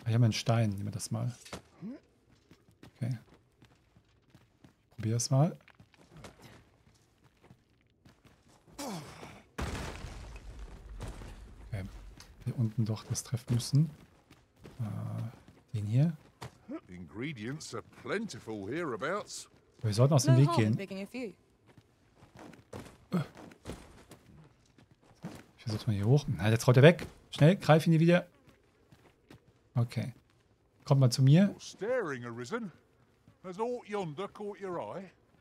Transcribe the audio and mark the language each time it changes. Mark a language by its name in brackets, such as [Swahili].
[German] Ich habe einen Stein, nehmen wir das mal. Okay. Probier es mal. Okay. Hier unten doch das treffen müssen. Den hier. [English] Ingredients are plentiful hereabouts. [German] Wir sollten aus dem Weg gehen. Ich versuch's mal hier hoch. Na, jetzt rollt er weg. Schnell, greif ihn hier wieder. Okay. Kommt mal zu mir. [English] Staring arisen. Has aught yonder caught your eye?